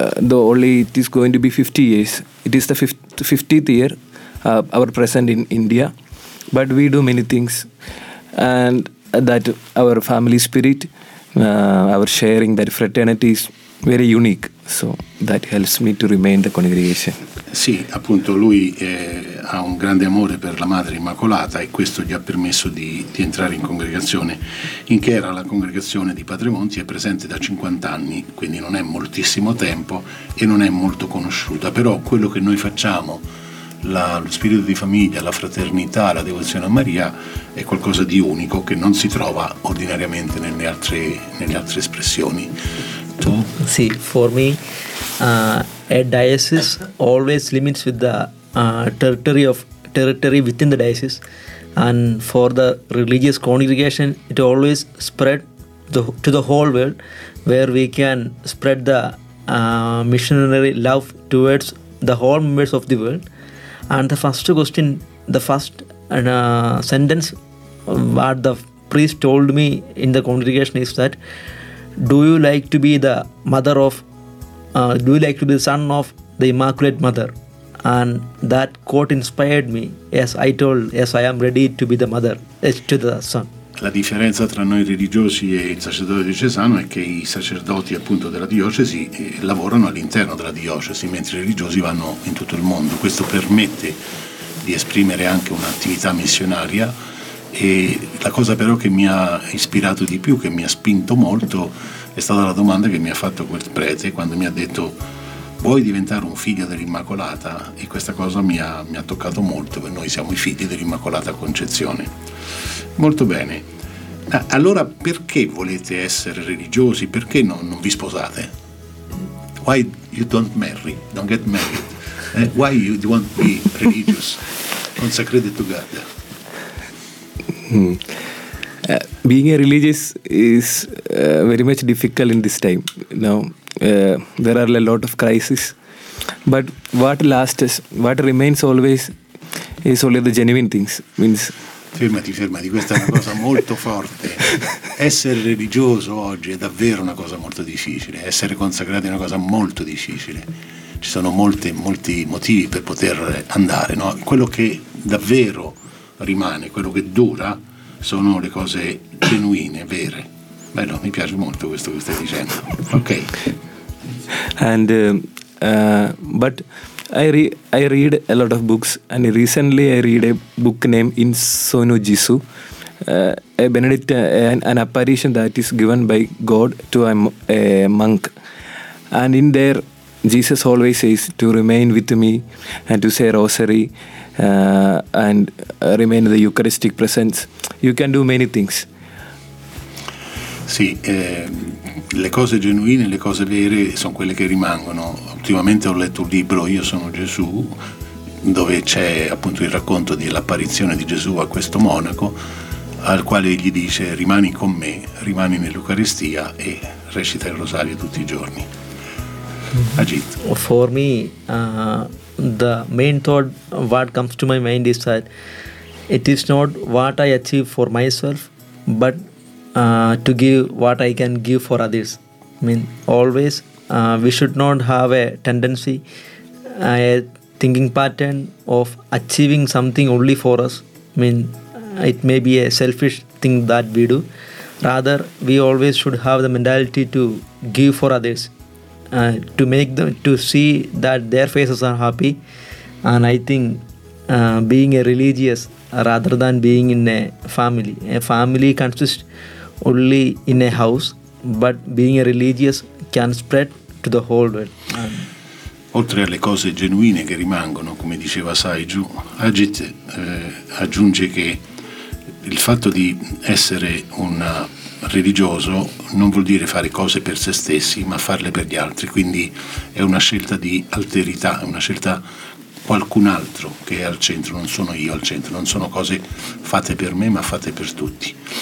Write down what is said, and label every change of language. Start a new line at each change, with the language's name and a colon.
English: Only it is going to be 50 years. It is the 50th year our present in India. But we do many things, and that our family spirit, our sharing, that fraternity is very unique. So that helps me to remain the congregation.
Italian: Sì, appunto, lui ha un grande amore per la Madre Immacolata, e questo gli ha permesso di entrare in congregazione. In Kerala la congregazione di Padre Monti è presente da 50 anni, quindi non è moltissimo tempo e non è molto conosciuta, però quello che noi facciamo, lo spirito di famiglia, la fraternità, la devozione a Maria, è qualcosa di unico che non si trova ordinariamente nelle altre espressioni. Tu?
English: Sì, for me a diocese always limits with the territory of territory within the diocese, and for the religious congregation it always spread to the whole world, where we can spread the missionary love towards the whole members of the world. And the first question, the first sentence what the priest told me in the congregation is that, do you like to be the mother of do you like to be the son of the Immaculate Mother? And that quote inspired me. Yes, I told, yes, I am ready to be the mother, to the son.
Italian: La differenza tra noi religiosi e il sacerdote diocesano è che i sacerdoti, appunto, della diocesi lavorano all'interno della diocesi, mentre i religiosi vanno in tutto il mondo. Questo permette di esprimere anche un'attività missionaria. E la cosa però che mi ha ispirato di più, che mi ha spinto molto, è stata la domanda che mi ha fatto quel prete quando mi ha detto: vuoi diventare un figlio dell'Immacolata? E questa cosa mi ha toccato molto, perché noi siamo i figli dell'Immacolata Concezione. Molto bene. Allora, perché volete essere religiosi? Perché non vi sposate?
English: Why you don't marry? Don't get married. Why you don't be religious? Consecrated to God. Being a religious is very much difficult in this time. Now, there are a lot of crises. But what lasts, what remains always, is only the genuine things. Means.
Italian: Fermati, questa è una cosa molto forte. Essere religioso oggi è davvero una cosa molto difficile. Essere consacrato è una cosa molto difficile. Ci sono molti motivi per poter andare, no? Quello che davvero rimane, quello che dura, sono le cose genuine, vere. Bello, mi piace molto questo che stai dicendo. Ok.
English: And but I read a lot of books, and recently I read a book named In Sono Gesù, an apparition that is given by God to a monk. And in there, Jesus always says to remain with me and to say rosary and remain the Eucharistic presence. You can do many things.
Italian: Sì, le cose genuine, le cose vere sono quelle che rimangono. Ultimamente ho letto un libro, Io sono Gesù, dove c'è appunto il racconto dell'apparizione di Gesù a questo monaco, al quale gli dice: rimani con me, rimani nell'Eucaristia e recita il rosario tutti i giorni. Ajit.
English: For me, the main thought what comes to my mind is that it is not what I achieve for myself, but to give what I can give for others. I mean, always we should not have a tendency, a thinking pattern of achieving something only for us. I mean, it may be a selfish thing that we do. Rather, we always should have the mentality to give for others, to make them, to see that their faces are happy. And I think being a religious rather than being in a family consists only in a house, but being a religious can spread to the whole world.
Italian: Oltre alle cose genuine che rimangono, come diceva Saiju, Ajit aggiunge che il fatto di essere un religioso non vuol dire fare cose per se stessi, ma farle per gli altri. Quindi è una scelta di alterità, è una scelta qualcun altro che è al centro, non sono io al centro, non sono cose fatte per me ma fatte per tutti.